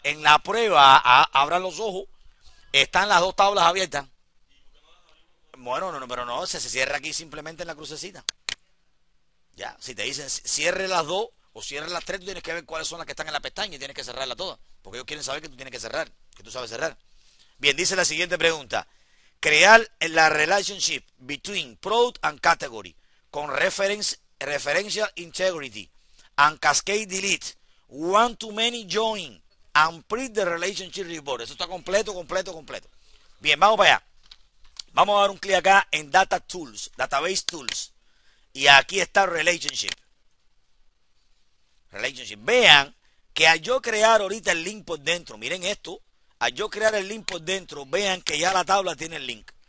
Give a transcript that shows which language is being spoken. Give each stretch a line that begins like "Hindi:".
Spanish: En la prueba, abran los ojos, están las dos tablas abiertas. Bueno, no, no, pero no, se cierra aquí simplemente en la crucecita. Ya, si te dicen cierre las dos o cierre las tres, tú tienes que ver cuáles son las que están en la pestaña y tienes que cerrarlas todas, porque ellos quieren saber que tú tienes que cerrar, que tú sabes cerrar. Bien, dice la siguiente pregunta. Crear la
English: relationship between product and category
Spanish: con referencia
English: integrity and cascade delete one to many join and print the relationship report.
Spanish: Eso está completo, completo, completo. Bien, vamos para allá. Vamos a dar un clic acá en Data Tools, Database Tools. Y aquí está Relationship. Relationship. Vean que al yo crear ahorita el link por dentro, miren esto, al yo crear el link por dentro, vean que ya la tabla tiene el link.